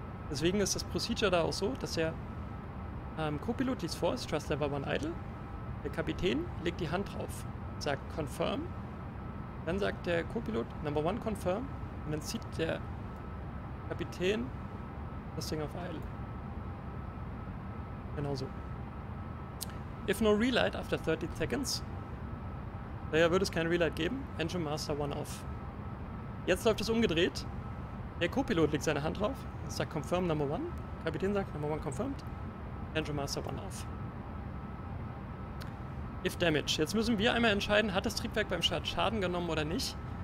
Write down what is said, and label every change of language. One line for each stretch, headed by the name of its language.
German: Deswegen ist das Procedure da auch so, dass der Co-Pilot liest vor,
English: Thrust Lever One Idle,
German: der Kapitän legt die Hand drauf, sagt Confirm, Dann sagt der Co-Pilot,
English: Number One confirm.
German: Und dann zieht der Kapitän das Ding auf Idle. Genau so.
English: If no relight after 30 seconds.
German: Daher würde es kein Relight geben.
English: Engine Master One off.
German: Jetzt läuft es umgedreht. Der Co-Pilot legt seine Hand drauf.
English: Sagt Confirm Number One.
German: Kapitän sagt
English: Number One confirmed. Engine Master One off. If damage.
German: Jetzt müssen wir einmal entscheiden, hat das Triebwerk beim Start Schaden genommen oder nicht.